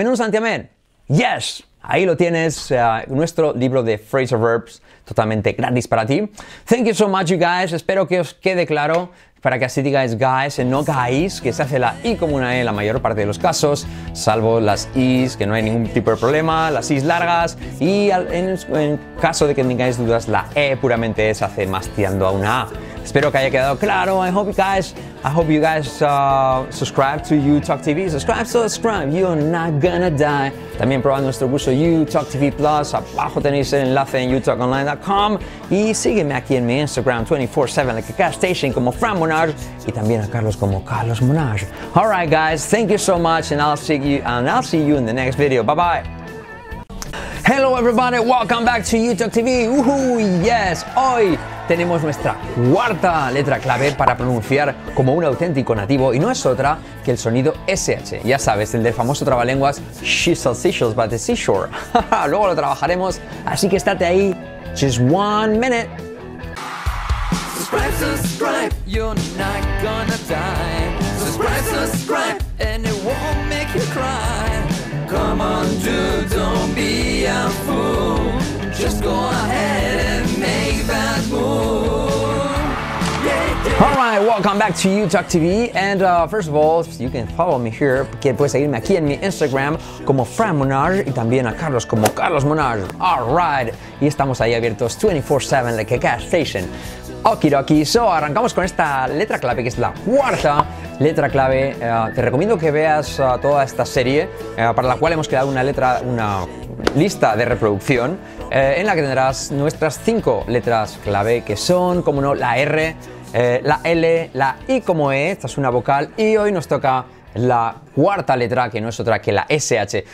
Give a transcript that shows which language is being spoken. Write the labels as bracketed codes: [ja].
[es] En un santiamén. Yes, ahí lo tienes. Nuestro libro de Phrasal Verbs totalmente gratis para ti. [en] Thank you so much, you guys. [es] Espero que os quede claro. para que así digáis guys y no guys, que se hace la I como una E en la mayor parte de los casos, salvo las Is, que no hay ningún tipo de problema, las Is largas, y en caso de que tengáis dudas, la E puramente se hace más tirando a una A. Espero que haya quedado claro. [en] I hope you guys subscribe to YouTalk TV. Subscribe, you're not gonna die. [es] También probad nuestro curso YouTalk TV Plus. Abajo tenéis el enlace en youtalkonline.com. Y sígueme aquí en mi Instagram 24/7, [en] like a cash station, [es] como Fran Monage. Y también a Carlos como Carlos Monage. [en] All right, guys, thank you so much, and I'll see you in the next video. Bye bye. Hello, everybody, welcome back to YouTalk TV. [es] Woohoo, yes, hoy tenemos nuestra cuarta letra clave para pronunciar como un auténtico nativo y no es otra que el sonido SH. Ya sabes, el del famoso trabalenguas [en] She's a seashell by the seashore. [es] Luego lo trabajaremos, así que estate ahí. [en] Just one minute. Subscribe, you're not gonna die. Subscribe, and it won't make you cry. Come on, dude, don't be a fool. Just go ahead and make that move. Yeah, yeah. All right, welcome back to YouTalk TV. And first of all, you can follow me here. [es] Que puedes seguirme aquí en mi Instagram como Fran Monage y también a Carlos como Carlos Monage. [en] All right, [es] y estamos ahí abiertos 24/7 [en] like a gas station. Okidoki, so [es] arrancamos con esta letra clave, que es la cuarta letra clave. Te recomiendo que veas toda esta serie, para la cual hemos creado una lista de reproducción, en la que tendrás nuestras cinco letras clave, que son, como no, la R, la L, la I como E, esta es una vocal, y hoy nos toca la cuarta letra, que no es otra que la SH.